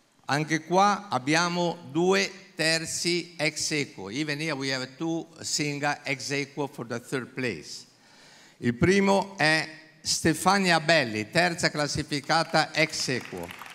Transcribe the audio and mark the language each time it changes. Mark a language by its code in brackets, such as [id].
[it] Anche qua abbiamo due terzi ex aequo. [en] Even here we have two singer ex aequo for the third place. [it] Il primo è Stefania Belli, terza classificata ex aequo.